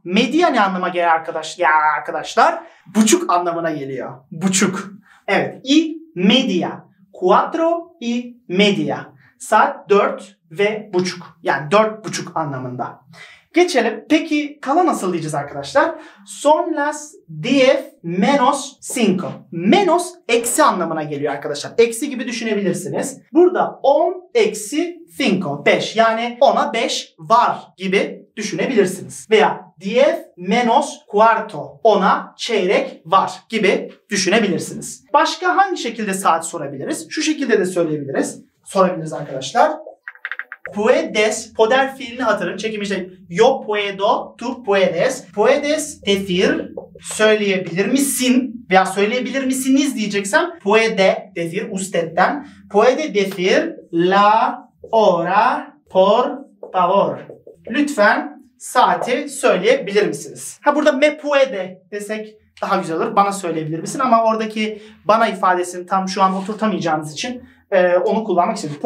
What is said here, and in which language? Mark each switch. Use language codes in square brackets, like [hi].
[tr] Media ne anlama gelir arkadaş? Ya arkadaşlar. Buçuk anlamına geliyor. Buçuk. Evet. [es] Y media. Cuatro y media. [tr] Saat 4 ve buçuk. Yani 4.5 anlamında. Geçelim. Peki kala nasıl diyeceğiz arkadaşlar? [es] Son las diez menos cinco. [tr] Menos eksi anlamına geliyor arkadaşlar. Eksi gibi düşünebilirsiniz. Burada on eksi cinco. Beş. Yani ona beş var gibi düşünebilirsiniz. Veya [es] diez menos cuarto. [tr] Ona çeyrek var gibi düşünebilirsiniz. Başka hangi şekilde saat sorabiliriz? Şu şekilde de söyleyebiliriz. Sorabiliriz arkadaşlar. [es] Puedes, poder [tr] fiilini hatırlayın. Çekim işte, [es] yo puedo, tú puedes. Puedes decir, [tr] söyleyebilir misin? Veya söyleyebilir misiniz diyeceksem, [es] puede decir, [tr] usted'den. [es] Puede decir, la hora, por favor. [tr] Lütfen saati söyleyebilir misiniz? Ha burada [es] me puede [tr] desek daha güzel olur. Bana söyleyebilir misin? Ama oradaki bana ifadesini tam şu an oturtamayacağınız için onu kullanmak istedim.